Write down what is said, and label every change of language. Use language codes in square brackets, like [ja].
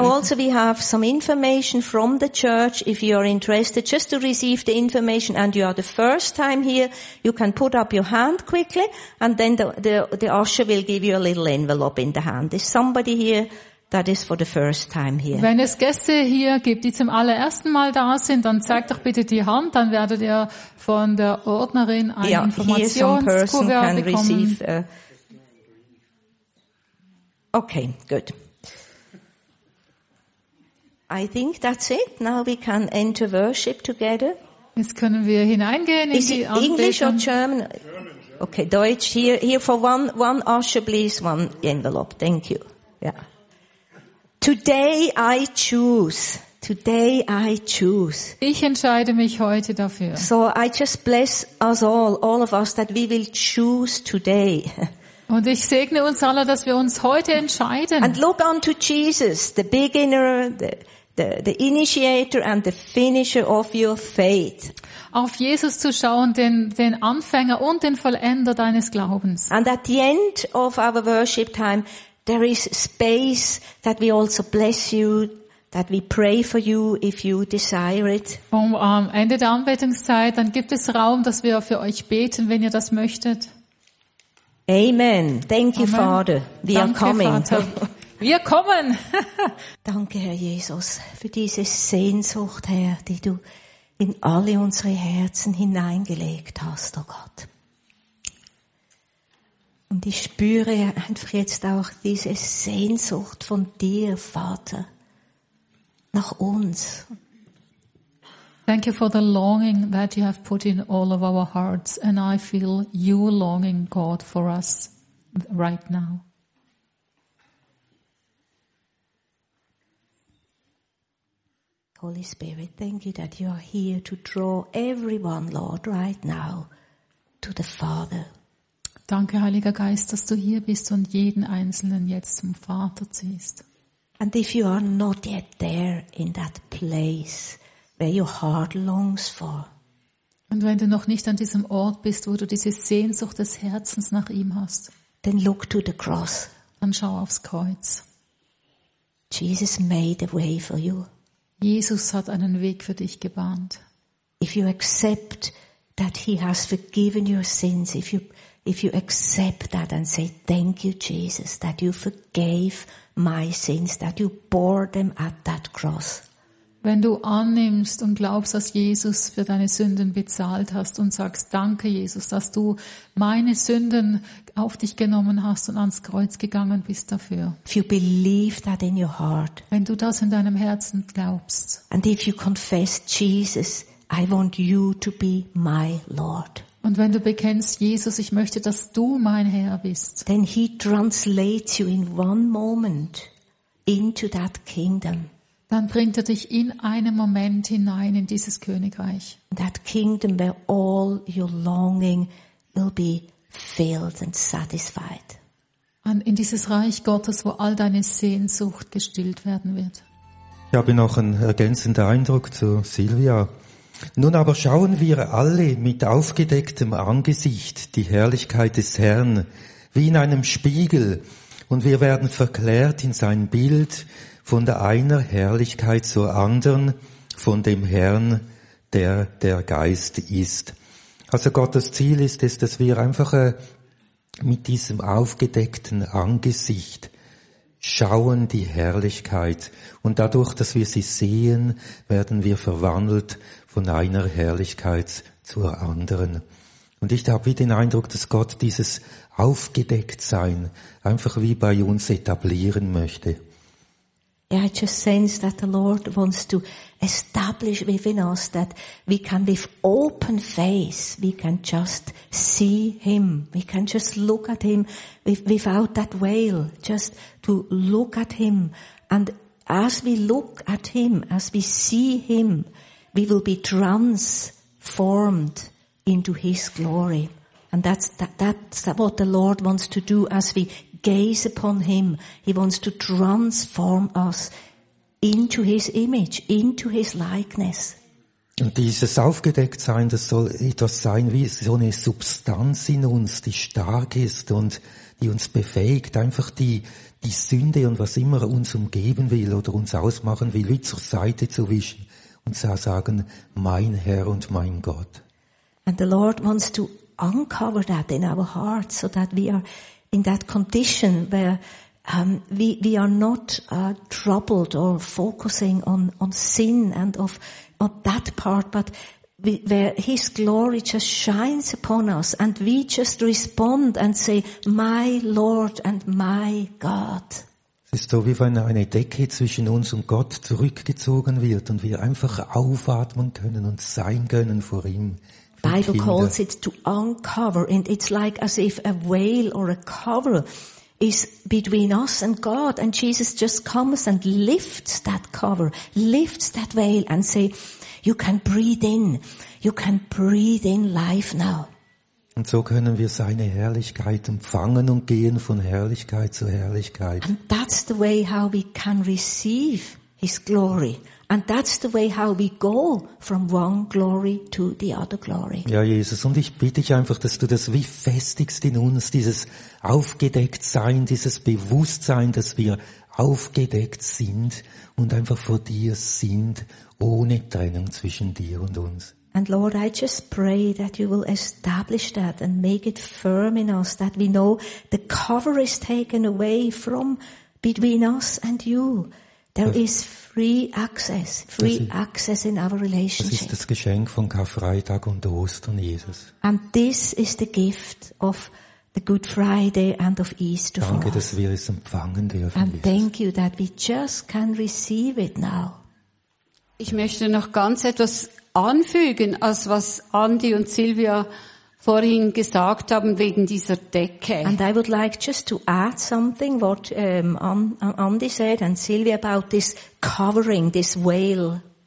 [en] Now also we have some information from the church. If you are interested, just to receive the information, and you are the first time here, you can put up your hand quickly, and then the usher will give you a little envelope in the hand. Is somebody here that is for the first time here? [de] Wenn es Gäste hier gibt, die zum allerersten Mal da sind, dann zeigt doch bitte die Hand, dann werdet ihr von der Ordnerin ein Informationskuvert bekommen. [en] Okay, good. I think that's it. Now we can enter worship together. [de] Jetzt können wir hineingehen in die Anbetung. [en] English or German? Okay, Deutsch, here for one usher, please, one envelope. Thank you. Yeah. Today I choose. [de] Ich entscheide mich heute dafür. [en] So I just bless us all of us, that we will choose today. [de] Und ich segne uns alle, dass wir uns heute entscheiden. [en] And look unto Jesus, the beginner, the initiator and the finisher of your faith. [de] Auf Jesus zu schauen, den Anfänger und den Vollender deines Glaubens. [en] And at the end of our worship time, there is space that we also bless you, that we pray for you if you desire it. [de] Um am Ende der Anbetungszeit, dann gibt es Raum, dass wir für euch beten, wenn ihr das möchtet. [en] Amen. Thank you, Amen. Father. We [de] Danke, [en] are coming. [de] Vater. Wir kommen. Danke, Herr Jesus, für diese Sehnsucht, Herr, die du in alle unsere Herzen hineingelegt hast, oh Gott. Und ich spüre einfach jetzt auch diese Sehnsucht von dir, Vater, nach uns. [en] Thank you for the longing that you have put in all of our hearts, and I feel you longing, God, for us right now. Holy Spirit, thank you that you are here to draw everyone, Lord, right now, to the Father. [de] Danke, Heiliger Geist, dass du hier bist und jeden Einzelnen jetzt zum Vater ziehst. [en] And if you are not yet there in that place where your heart longs for. [de] Und wenn du noch nicht an diesem Ort bist, wo du diese Sehnsucht des Herzens nach ihm hast, [en] then look to the cross. [de] Dann schau aufs Kreuz. [en] Jesus made a way for you. [de] Jesus hat einen Weg für dich gebahnt. [en] If you accept that he has forgiven your sins, if you accept that and say, thank you, Jesus, that you forgave my sins, that you bore them at that cross. [de] Wenn du annimmst und glaubst, dass Jesus für deine Sünden bezahlt hast und sagst, danke, Jesus, dass du meine Sünden auf dich genommen hast und ans Kreuz gegangen bist dafür. [en] If you believe that in your heart, [de] wenn du das in deinem Herzen glaubst. [en] And if you confess, Jesus, I want you to be my Lord. [de] Und wenn du bekennst, Jesus, ich möchte, dass du mein Herr bist. [en] Then he translates you in one moment into that kingdom. [de] Dann bringt er dich in einem Moment hinein in dieses Königreich. [en] That kingdom where all your longing will be filled and satisfied. [de] In dieses Reich Gottes, wo all deine Sehnsucht gestillt werden wird. Ich habe noch einen ergänzenden Eindruck zu Silvia. Nun aber schauen wir alle mit aufgedecktem Angesicht die Herrlichkeit des Herrn, wie in einem Spiegel, und wir werden verklärt in sein Bild, von der einen Herrlichkeit zur anderen, von dem Herrn, der Geist ist. Also Gottes Ziel ist es, dass wir einfach mit diesem aufgedeckten Angesicht schauen die Herrlichkeit. Und dadurch, dass wir sie sehen, werden wir verwandelt von einer Herrlichkeit zur anderen. Und ich habe wie den Eindruck, dass Gott dieses Aufgedecktsein einfach wie bei uns etablieren möchte. [en] Yeah, I just sense that the Lord wants to establish within us that we can, with open face, we can just see Him. We can just look at Him without that veil. Just to look at Him. And as we look at Him, as we see Him, we will be transformed into His glory. And that's what the Lord wants to do as we gaze upon Him. He wants to transform us into His image, into His likeness. [de] Und dieses Aufgedecktsein, das soll etwas sein wie so eine Substanz in uns, die stark ist und die uns befähigt, einfach die Sünde und was immer uns umgeben will oder uns ausmachen will, wie zur Seite zu wischen und zu sagen, mein Herr und mein Gott. [en] And the Lord wants to uncover that in our hearts so that we are in that condition where we are not troubled or focusing on sin and of that part, but where His glory just shines upon us and we just respond and say, my Lord and my God. [de] Es ist so, wie wenn eine Decke zwischen uns und Gott zurückgezogen wird und wir einfach aufatmen können und sein können vor ihm. [en] Bible calls it to uncover, and it's like as if a veil or a cover is between us and God, and Jesus just comes and lifts that cover, lifts that veil and say, you can breathe in, you can breathe in life now. [de] Und so können wir seine Herrlichkeit empfangen und gehen von Herrlichkeit zu Herrlichkeit. [en] And that's the way how we can receive His glory. And that's the way how we go from one glory to the other glory. [de] Ja, Jesus, und ich bitte dich einfach, dass du das wie festigst in uns, dieses Aufgedecktsein, dieses Bewusstsein, dass wir aufgedeckt sind und einfach vor dir sind, ohne Trennung zwischen dir und uns. [en] And Lord, I just pray that you will establish that and make it firm in us, that we know the cover is taken away from between us and you. There is free access in our relationship. [de] Das ist das Geschenk von Karfreitag und Ostern, Jesus. [en] And this is the gift of the Good Friday and of Easter. [de] Danke, [en] for us. [de] Dass wir es empfangen dürfen. [en] And Jesus. Thank you that we just can receive it now. [de] Ich möchte noch ganz etwas anfügen, als was Andi und Silvia vorhin gesagt haben wegen dieser Decke. [en] And I would like just to add something what Andy said and Sylvia about this covering, this veil.